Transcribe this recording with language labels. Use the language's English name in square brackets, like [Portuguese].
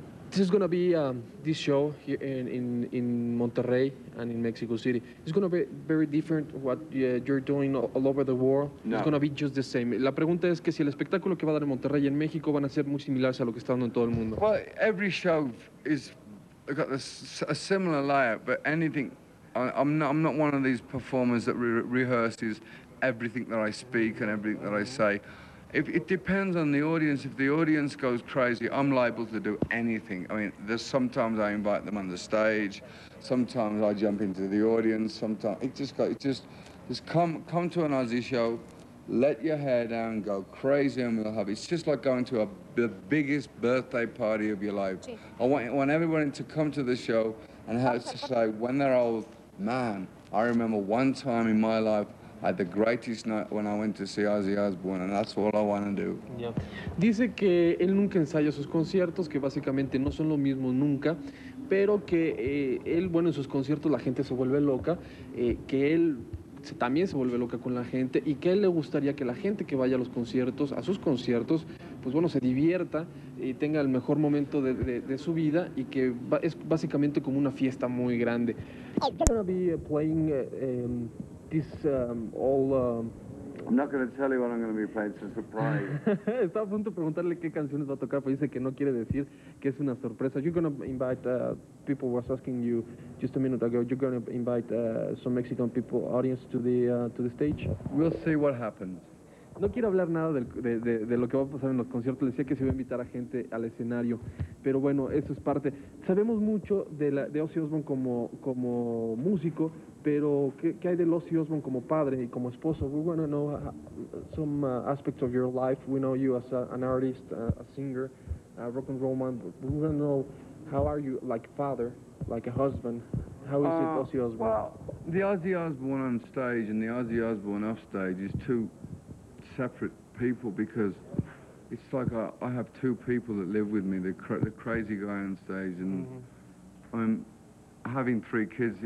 [English] This is gonna be this show here in Monterrey and in Mexico City. It's gonna be very different what you're doing all over the world. No. It's gonna be just the same. [Spanish] La pregunta es que si el espectáculo que va a dar en Monterrey y en México van a ser muy similares a lo que está dando en todo el mundo. [English] Well, every show is got a similar layout, but anything. I'm not one of these performers that rehearses everything that I speak and everything that I say. It depends on the audience. If the audience goes crazy, I'm liable to do anything. I mean, sometimes I invite them on the stage, sometimes I jump into the audience, sometimes it just come to an Aussie show, let your hair down, go crazy, and we'll have it. It's just like going to the biggest birthday party of your life. I want everyone to come to the show and have to say, when they're old, man, I remember one time in my life I had the greatest night when I went to see Ozzy Osbourne, and that's all I want to do. Yeah. [Spanish] Dice que él nunca ensaya sus conciertos, que básicamente no son lo mismo nunca, pero que él, bueno, en sus conciertos la gente se vuelve loca, que él también se vuelve loca con la gente, y que él le gustaría que la gente que vaya a los conciertos, a sus conciertos, pues bueno, se divierta y tenga el mejor momento de su vida, y que es básicamente como una fiesta muy grande. [English] I'm gonna be playing this all I'm not going to tell you what I'm going to be playing. It's a surprise. [Spanish] Estaba a punto de preguntarle qué canciones va a tocar, pero dice que no quiere decir, que es una sorpresa. [English] You're going to invite people was asking you just a minute ago, you're going to invite some Mexican people audience to the stage. We'll see what happens. [Spanish] No quiero hablar nada de lo que va a pasar en los conciertos. Le decía que se iba a invitar a gente al escenario, pero bueno, eso es parte. Sabemos mucho de Ozzy Osbourne como músico, pero ¿qué hay de Ozzy Osbourne como padre y como esposo? [English] We want to know some aspects of your life. We know you as an artist, a singer, a rock and roll man. We want to know how are you like father, like a husband. How is it, Ozzy Osbourne? Well, the Ozzy Osbourne on stage and the Ozzy Osbourne off stage is two separate people, because it's like I have two people that live with me, the crazy guy on stage, and I'm having three kids.